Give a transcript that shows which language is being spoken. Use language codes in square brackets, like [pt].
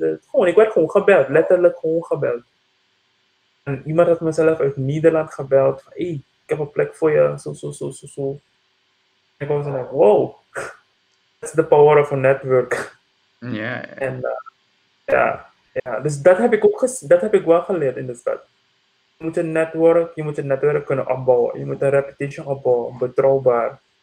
[nl] Gewoon, ik werd gewoon gebeld, letterlijk gewoon gebeld. En iemand had mezelf uit Nederland gebeld van, ik heb een plek voor je, zo, zo, zo, zo, zo. Ik was [en] like, wow, that's the power of a network. [nl] En dus dat heb ik ook gezien, dat heb ik wel geleerd in de stad. Je moet een netwerk kunnen opbouwen. Je moet een reputatie opbouwen, betrouwbaar.